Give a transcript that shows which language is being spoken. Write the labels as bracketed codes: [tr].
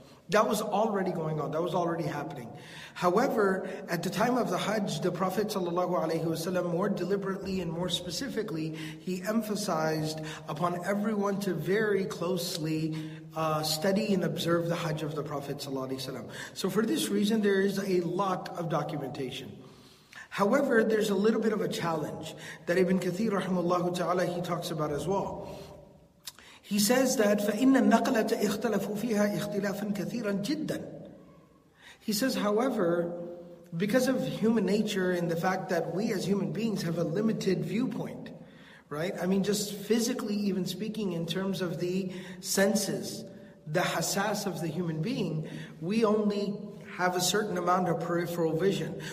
[en] That was already going on, that was already happening. However, at the time of the Hajj, the Prophet ﷺ more deliberately and more specifically, he emphasized upon everyone to very closely study and observe the Hajj of the Prophet ﷺ. So for this reason, there is a lot of documentation. However, there's a little bit of a challenge that Ibn Kathir rahimahullah ta'ala, he talks about as well. He says that [ar] فَإِنَّ النَّقْلَةَ اِخْتَلَفُوا فِيهَا اِخْتِلَافًا كَثِيرًا جِدًّا. [en] He says, however, because of human nature and the fact that we as human beings have a limited viewpoint, right? I mean, just physically even speaking in terms of the senses, the hassas of the human being, we only have a certain amount of peripheral vision.